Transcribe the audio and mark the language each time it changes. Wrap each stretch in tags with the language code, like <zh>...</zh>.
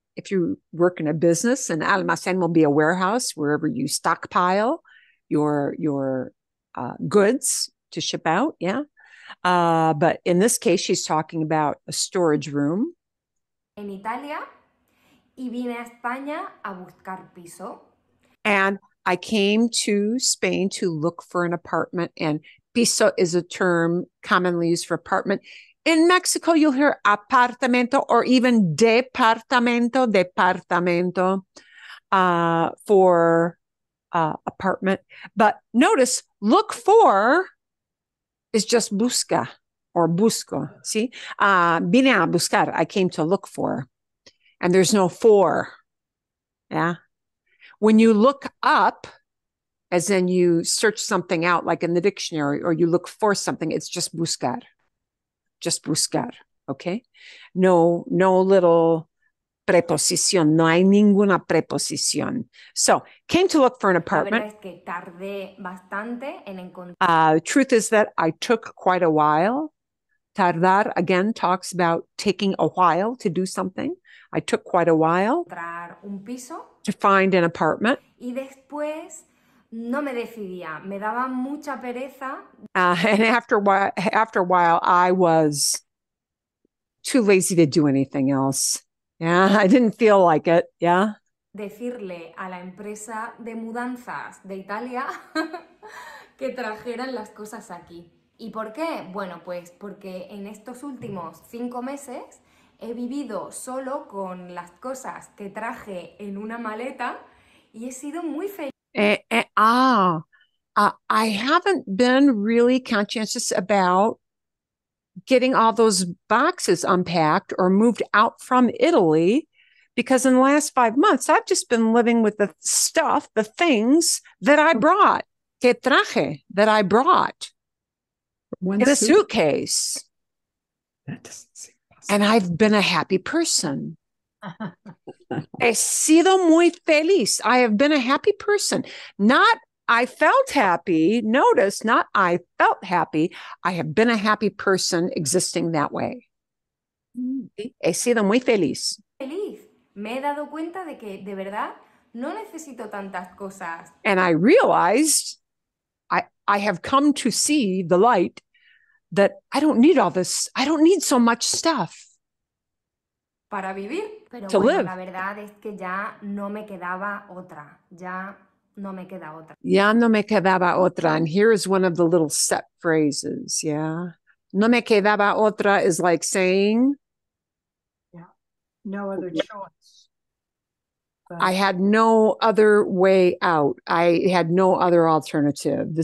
<en>If you work in a business, an almacén will be a warehouse wherever you stockpile your goods to ship out, yeah? But in this case, she's talking about a storage room.</en> <es>En Italia, y vine a España a buscar piso.</es> <en>And I came to Spain to look for an apartment, and piso is a term commonly used for apartment. In Mexico, you'll hear apartamento or even departamento for apartment. But notice, look for is just busca. Or busco, see? Vine a buscar, I came to look for. And there's no for, yeah? When you look up, as in you search something out, like in the dictionary, or you look for something, it's just buscar, okay?</en> <es>No little preposición, no hay ninguna preposición.</es> <en>So, came to look for an apartment.</en> <es>La verdad es que tardé bastante en encontrar.</es> <en>The truth is that I took quite a while. Tardar, again, talks about taking a while to do something. I took quite a while</en> <es>un piso,</es> <en>to find an apartment.</en> <es>Y después no me decidía. Me daba mucha pereza.</es> <en>And after a while, I was too lazy to do anything else. Yeah, I didn't feel like it. Yeah.</en> <es>Decirle a la empresa de mudanzas de Italia que trajeran las cosas aquí. ¿Y por qué? Bueno, pues porque en estos últimos 5 meses he vivido solo con las cosas que traje en una maleta y he sido muy feliz.</es> <en>I haven't been really conscientious about getting all those boxes unpacked or moved out from Italy, because in the last 5 months I've just been living with the stuff, the things that I brought, que traje, that I brought. One in a suitcase. That doesn't seem possible. And I've been a happy person. He sido muy feliz. I have been a happy person. Not I felt happy. Notice, not I felt happy. I have been a happy person existing that way.</en> <es>He sido muy feliz. Feliz. Me he dado cuenta de que, de verdad, No necesito tantas cosas.</es> <en>And I realized I have come to see the light that I don't need all this. I don't need so much stuff.</en> <es>Para vivir. Pero to bueno,</es> <en>live.</en> <es>La verdad es que ya no me quedaba otra. Ya no me queda otra. Ya no me quedaba otra.</es> <en>And here is one of the little set phrases. Yeah. No me quedaba otra is like saying. Yeah. No other choice. But I had no other way out. I had no other alternative.</en>